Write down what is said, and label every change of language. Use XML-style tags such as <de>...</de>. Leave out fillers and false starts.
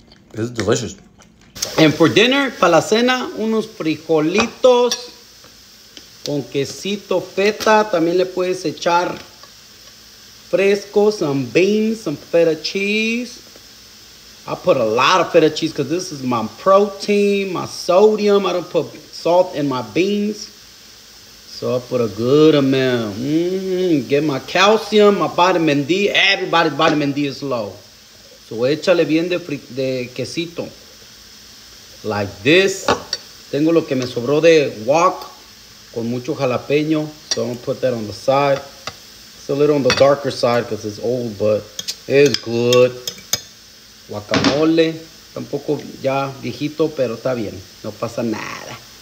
<en>This is delicious. And for dinner,</en> <es>para la cena, unos frijolitos con quesito feta. También le puedes echar fresco,</es> <en>some beans, some feta cheese. I put a lot of feta cheese because this is my protein, my sodium. I don't put salt in my beans. So I put a good amount. Get my calcium, my vitamin D. Everybody's vitamin D is low.</en> <es>So échale bien de quesito.</es> <en>Like this.</en> <es>Tengo lo que me sobró de wok con mucho jalapeño.</es> <en>So I'm going to put that on the side. It's a little on the darker side because it's old, but it's good.</en> <es>Guacamole, tampoco ya viejito, pero está bien, no pasa nada.</es>